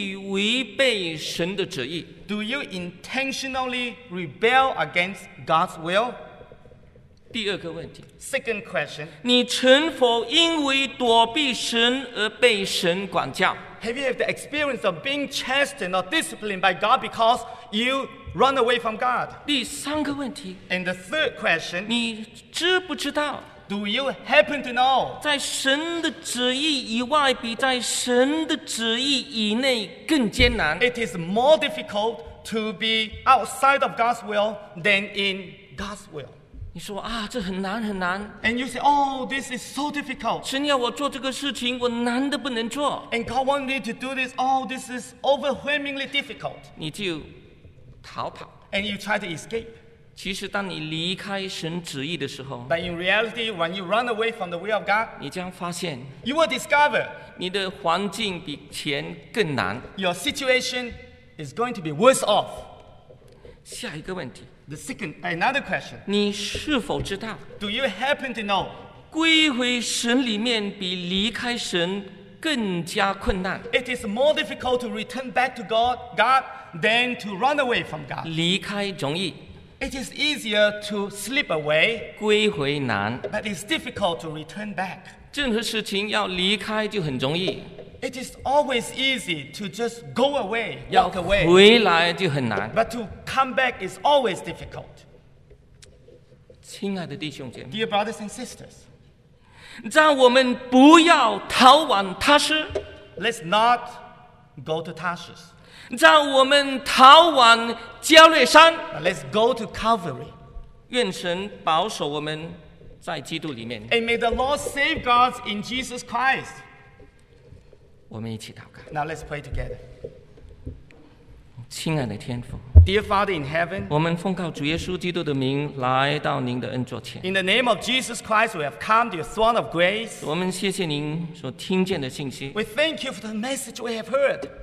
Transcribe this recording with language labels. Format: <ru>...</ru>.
<zh>你曾否故意违背神的旨意?</zh> <en>Do you intentionally rebel against God's will?</en> <zh>第二个问题,</zh> <en>second question,</en> <zh>你曾否因为躲避神而被神管教?</zh> <en>Have you had the experience of being chastened or disciplined by God because you run away from God?</en> <zh>第三个问题,</zh> <en>and the third question,</en> <zh>你知不知道?</zh> <en>Do you happen to know?</en> <zh>在神的旨意以外比在神的旨意以内更艰难?</zh> <en>It is more difficult to be outside of God's will than in God's will.</en> <zh>你说啊，这很难很难。</zh> <en>And you say, oh, this is so difficult.</en> <zh>神要我做这个事情，我难得不能做。</zh> <en>And God wants me to do this. Oh, this is overwhelmingly difficult.</en> <zh>你就逃跑。</zh> <en>And you try to escape.</en> <zh>其实当你离开神旨意的时候,</zh> <en>but in reality, when you run away from the will of God,</en> <zh>你将发现,</zh> <en>you will discover,</en> <zh>你的环境比前更难。</zh> <en>Your situation is going to be worse off.</en> <zh>下一个问题,</zh> <en>the second, another question,</en> <zh>你是否知道?</zh> <en>Do you happen to know?</en> <zh>归回神里面比离开神更加困难。</zh> <en>It is more difficult to return back to God than to run away from God.</en> <zh>离开容易。</zh> <en>It is easier to slip away,</en> <zh>归回难。</zh> <en>But it's difficult to return back.</en> <zh>任何事情要离开就很容易。</zh> <en>It is always easy to just go away, walk away.</en> <zh>回来就很难。</zh> <en>But to come back is always difficult.</en> <zh>亲爱的弟兄姐妹,</zh> <en>dear brothers and sisters,</en> <zh>让我们不要逃往他施。</zh> <en>Let's not go to Tarshish.</en> <zh>让我们逃往加略山。</zh> <en>Let's go to Calvary.</en> <zh>愿神保守我们在基督里面。</zh> <en>And may the Lord safeguard in Jesus Christ.</en> <zh>我们一起祷告。</zh> <en>Now let's pray together.</en> <zh>亲爱的天父,</zh> <en>Dear Father in heaven,</en> <zh>我们奉靠主耶稣基督的名来到您的恩座前。</zh> <en>In the name of Jesus Christ, we have come to your throne of grace.</en> <zh>我们谢谢您所听见的信息。</zh> <en>We thank you for the message we have heard.</en>